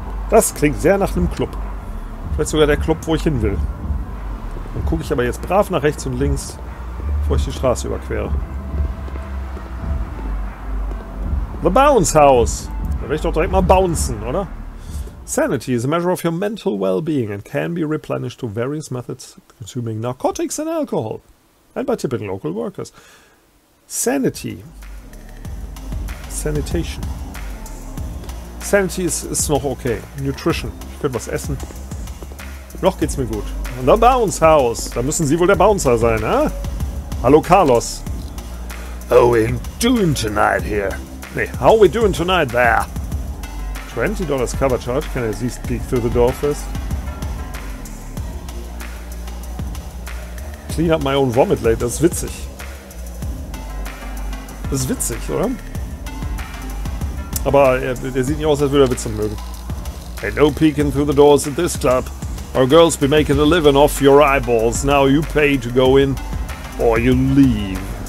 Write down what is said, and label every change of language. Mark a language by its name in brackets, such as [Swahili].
[German] Das klingt sehr nach einem Club. Vielleicht sogar der Club, wo ich hin will. Dann gucke ich aber jetzt brav nach rechts und links, bevor ich die Straße überquere. The Bounce House. Da werde ich doch direkt mal bouncen, oder? [English] Sanity is a measure of your mental well-being and can be replenished to various methods consuming narcotics and alcohol. And by tipping local workers. Sanity. Sanitation. [German] Sanity ist noch okay. Nutrition. Ich könnte was essen. Noch geht's mir gut. [English] And the Bounce House. [German] Da müssen Sie wohl der Bouncer sein, eh? Hallo, Carlos. [English] How we doing tonight here? Nee, how we doing tonight there? $20 cover charge. Can I at least peek through the door first? Clean up my own vomit later. [German] Das ist witzig. Das ist witzig, oder? Aber er sieht nicht aus, als würde er witzeln mögen. [English] Hey, no peeking through the doors at this club. Our girls be making a living off your eyeballs. Now you pay to go in or you leave.